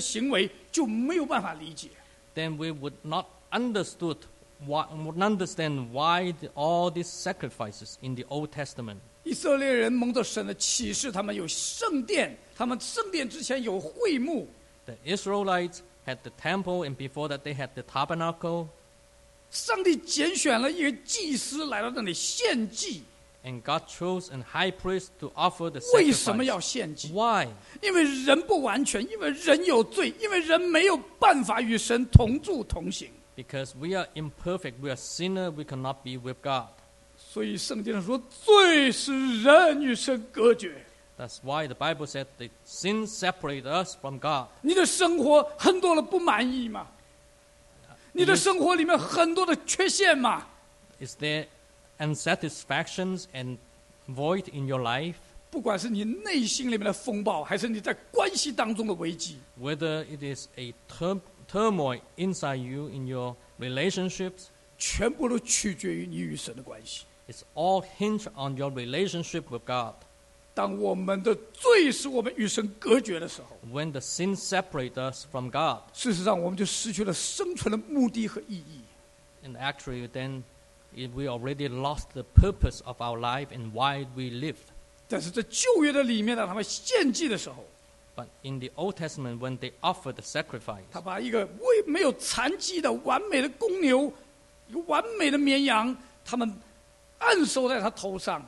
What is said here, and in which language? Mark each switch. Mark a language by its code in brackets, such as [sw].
[zh] 我们也就知道旧约里面一切的这一些献祭的行为就没有办法理解, [en] then we would not understood why, would understand why the, all these sacrifices in the Old Testament. [zh] 以色列人蒙着神的启示, 他们有圣殿, 他们圣殿之前有会幕, [en] the Israelites had the temple and before that they had the tabernacle. [zh] 上帝拣选了一个祭司来到那里献祭, [en] and God chose a high priest to offer the sacrifice. [zh] 为什么要献祭? [en] Why? [zh] 因为人不完全, 因为人有罪, 因为人没有办法与神同住同行, [en] because we are imperfect, we are sinner, we cannot be with God. [zh] 所以圣经说, 罪使人与神隔绝, [en] that's why the Bible said the sin separates us from God. [zh] 你的生活很多的不满意吗?你的生活里面很多的缺陷吗? [en] Is there unsatisfactions and void in your life, [zh] 不管是你内心里面的风暴, 还是你在关系当中的危机, [en] whether it is a turmoil inside you in your relationships, [zh] 全部都取决于你与神的关系, [en] it's all hinged on your relationship with God. [zh] 当我们的罪使我们与神隔绝的时候, [en] when the sin separates us from God, [zh] 事实上我们就失去了生存的目的和意义, [en] and actually then if we already lost the purpose of our life and why we live. [zh] 但是在旧约的里面呢，他们献祭的时候, [en] but in the Old Testament, when they offered the sacrifice, [zh] 他把一个没有残疾的完美的公牛, 一个完美的绵羊, 他们按手在他头上,